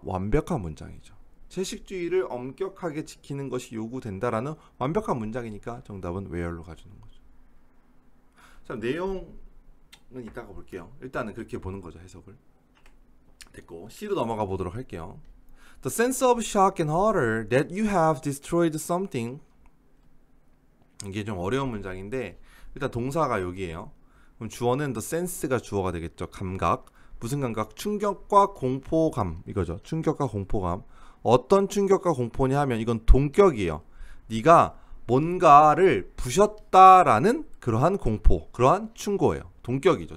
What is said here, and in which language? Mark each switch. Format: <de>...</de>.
<ko>완벽한 문장이죠. 채식주의를 엄격하게 지키는 것이 요구된다라는 완벽한 문장이니까 정답은 where로 가주는 거죠. 자, 내용은 이따가 볼게요. 일단은 그렇게 보는 거죠, 해석을. 됐고, C로 넘어가 보도록 할게요.</ko> <en>The sense of shock and horror that you have destroyed something.</en> <ko>이게 좀 어려운 문장인데, 일단 동사가 여기에요. 그럼 주어는 the sense가 주어가 되겠죠. 감각. 무슨 감각? 충격과 공포감. 이거죠. 충격과 공포감. 어떤 충격과 공포냐 하면 이건 동격이에요. 네가 뭔가를 부셨다라는 그러한 공포, 그러한 충고예요. 동격이죠.</ko>